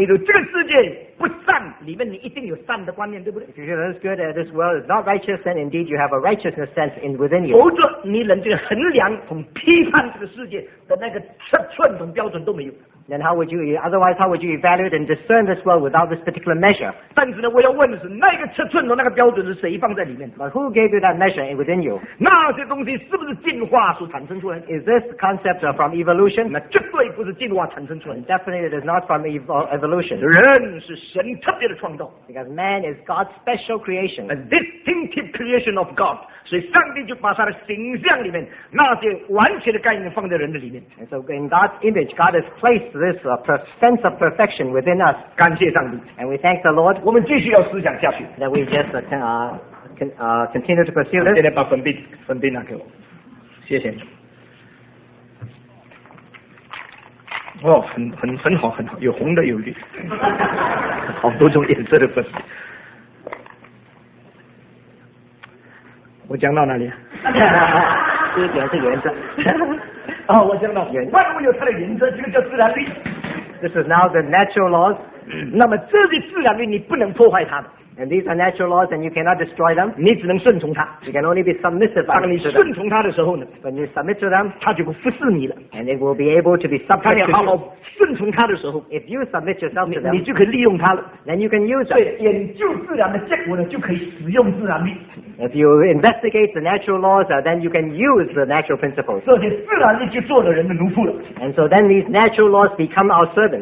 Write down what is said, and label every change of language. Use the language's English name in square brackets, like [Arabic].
[English] If you feel that it's good, that this world is not righteous, then indeed you have a righteousness sense in within you. then how would you, otherwise how would you evaluate and discern this world without this particular measure? [Chinese] 但是呢,我要问的是,那个尺寸的那个标准是谁放在里面? [English] But who gave you that measure within you? [Chinese] 那些东西是不是进化所产生出来? [English] Is this concept from evolution? [Chinese] 那绝对不是进化产生出来。 [English] Definitely it is not from evolution. [Chinese] 人是神特别的创造。 [English] Because man is God's special creation. A distinctive creation of God. [Chinese] 所以上帝就把他的形象里面,那些完全的概念放在人的里面。 [English] And so in God's image, God has placed this sense of perfection within us. [Chinese] 感谢上帝。 [English] And we thank the Lord. [Chinese] 我们继续要思想下去。 [English] That we just continue to pursue this. [Chinese] 现在把粉笔拿给我。谢谢你。哦,很好,很好。有红的,有绿。好多种颜色的粉笔。我讲到哪里? 这个点是原则。哦,我讲到,万物有它的原则,这个叫自然力。 [English] This is now the natural laws. [Chinese] 那么这些自然力你不能破坏它们。 [English] And these are natural laws and you cannot destroy them. [Chinese] 你只能顺从它。 [English] You can only be submissive. [Chinese] 当你顺从它的时候呢? [English] When you submit to them, [Chinese] 它就不服侍你了。 [English] And it will be able to be subject to you. [Chinese] 当你好好顺从它的时候, [English] if you submit yourself to them, [Chinese] 你就可以利用它了。 [English] Then you can use them. [Chinese] 对,研究自然的结果呢,就可以使用自然力。 [English] If you investigate the natural laws, then you can use the natural principles. [Chinese] 这些自然力就做了人的奴仆了。 [English] And so then these natural laws become our servants.